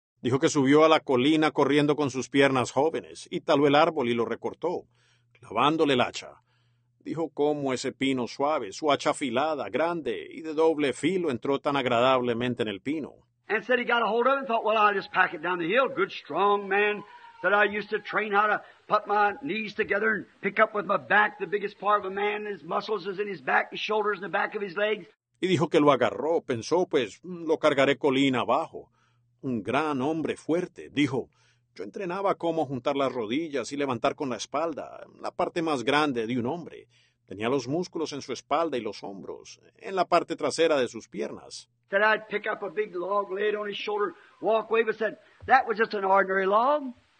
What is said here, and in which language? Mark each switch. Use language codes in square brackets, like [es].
[es] Dijo que subió a la colina corriendo con sus piernas jóvenes y taló el árbol y lo recortó, clavándole el hacha. Dijo cómo ese pino suave, su hacha afilada, grande y de doble filo entró tan agradablemente en el pino. [en] And said he got a hold of it and thought, well, I'll just pack it down the hill. Good, strong man. Said I used to train how to put my knees together and pick up with my back the biggest part of a man. His muscles is in his back, his shoulders, and the back of his legs. [es] Y dijo que lo agarró. Pensó, pues, lo cargaré colina abajo. Un gran hombre fuerte, dijo, yo entrenaba cómo juntar las rodillas y levantar con la espalda, la parte más grande de un hombre. Tenía los músculos en su espalda y los hombros, en la parte trasera de sus piernas. [en] Said I'd pick up a big log, lay it on his shoulder, walk away, but said, that was just an ordinary log.